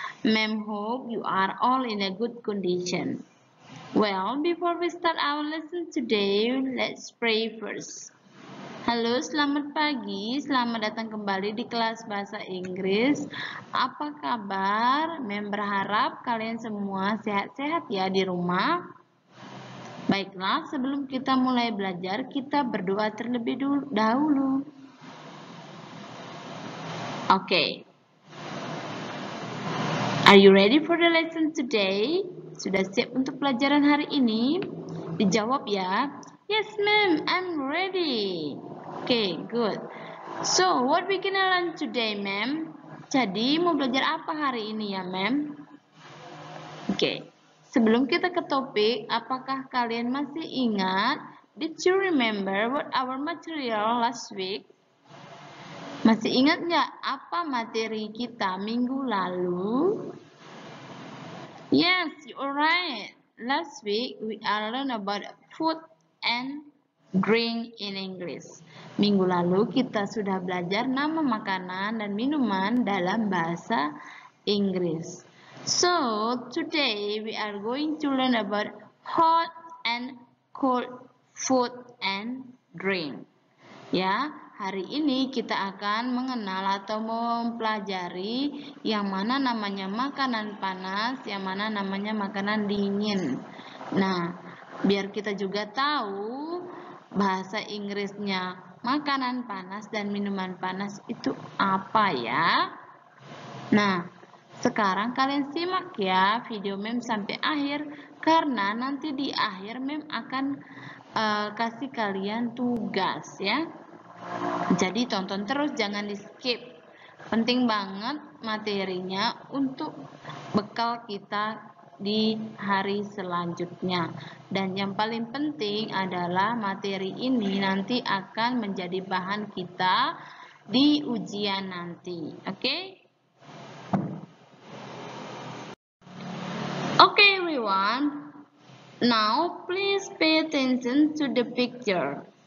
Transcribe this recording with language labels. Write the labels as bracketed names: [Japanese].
[English] Ma'am, hope you are all in a good condition. Well, before we start our lesson today, let's pray first. [Indonesian] Halo, selamat pagi. Selamat datang kembali di kelas bahasa Inggris. Apa kabar? Ma'am berharap kalian semua sehat-sehat ya di rumah. Baiklah, sebelum kita mulai belajar, kita berdoa terlebih dahulu. Oke. [English] Are you ready for the lesson today? [Indonesian] Sudah siap untuk pelajaran hari ini? Dijawab ya. [English] Yes, ma'am, I'm ready. Oke, good. So, what we gonna learn today, ma'am? [Indonesian] Jadi, mau belajar apa hari ini ya, ma'am? Oke. Sebelum kita ke topik, apakah kalian masih ingat? [English] Did you remember what our material last week? [Indonesian] Masih ingat nggak apa materi kita minggu lalu? [English] Yes, you're right. Last week we are learn about food and drink in English. [Indonesian] Minggu lalu kita sudah belajar nama makanan dan minuman dalam bahasa Inggris. [English] So, today we are going to learn about hot and cold food and drink. [Indonesian] Ya, hari ini kita akan mengenal atau mempelajari yang mana namanya makanan panas, yang mana namanya makanan dingin. Nah, biar kita juga tahu bahasa Inggrisnya makanan panas dan minuman panas itu apa ya. Nah, sekarang kalian simak ya video Mem sampai akhir, karena nanti di akhir Mem akan kasih kalian tugas ya. Jadi tonton terus, jangan di skip. Penting banget materinya untuk bekal kita di hari selanjutnya. Dan yang paling penting adalah materi ini nanti akan menjadi bahan kita di ujian nanti. Oke? [English] Okay everyone, now please pay attention to the picture.